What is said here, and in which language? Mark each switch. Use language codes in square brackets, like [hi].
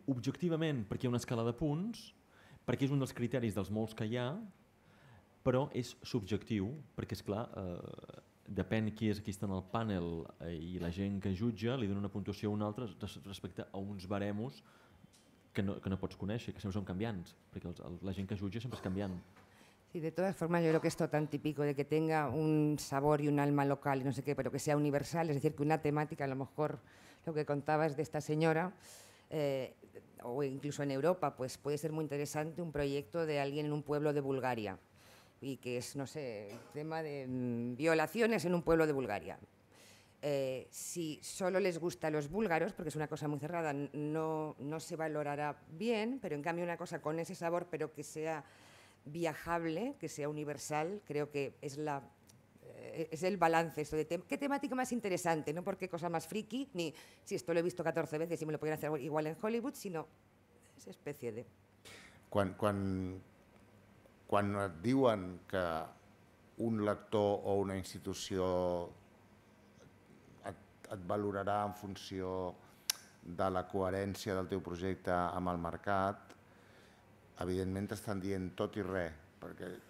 [ca] Objectivament perquè hi ha una escala de punts, perquè és un dels criteris dels molts que hi ha, però és subjectiu perquè, és clar, depèn qui és qui està en el panel i la gent que jutja, li dona una puntuació a una altra respecte a uns baremos que no pots conèixer, que sempre són canviants, perquè la gent que jutja sempre és canviant. [es] Sí, de todas formas yo creo que esto tan típico de que tenga un sabor y un alma local y no sé qué, pero que sea universal, es decir, que una temática a lo mejor... Lo que contabas de esta señora, o incluso en Europa, pues puede ser muy interesante un proyecto de alguien en un pueblo de Bulgaria y que es, no sé, el tema de violaciones en un pueblo de Bulgaria. Si solo les gusta a los búlgaros, porque es una cosa muy cerrada, no se valorará bien, pero en cambio una cosa con ese sabor, pero que sea viajable, que sea universal, creo que es la... Es el balance, esto de qué temática más interesante, no porque cosa más friki, ni si esto lo he visto 14 veces y me lo pudieran hacer igual en Hollywood, sino esa especie de... [ca] Quan et diuen que un lector o una institució et valorarà en funció de la coherència del teu projecte amb el mercat, evidentment t'estan dient tot i res, perquè...